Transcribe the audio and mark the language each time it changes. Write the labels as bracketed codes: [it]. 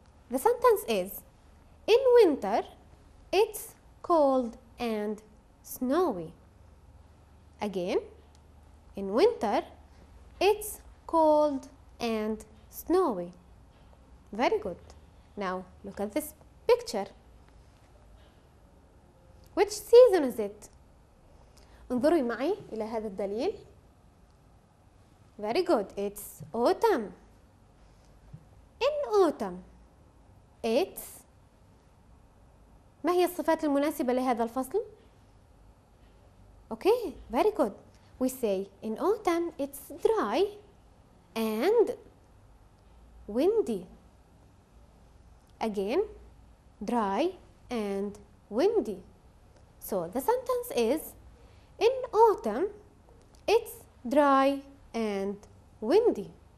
[en] The sentence is, in winter, it's cold and snowy. Again, in winter, it's cold and snowy. Very good. Now look at this picture. Which season is it? [ar] انظري معي إلى هذا الدليل. [en] Very good. It's autumn. In autumn. It's. [ar] ما هي الصفات المناسبة لهذا الفصل؟ Okay. [en] Very good. We say in autumn it's dry and windy. Again, dry and windy. So the sentence is in autumn it's dry and windy.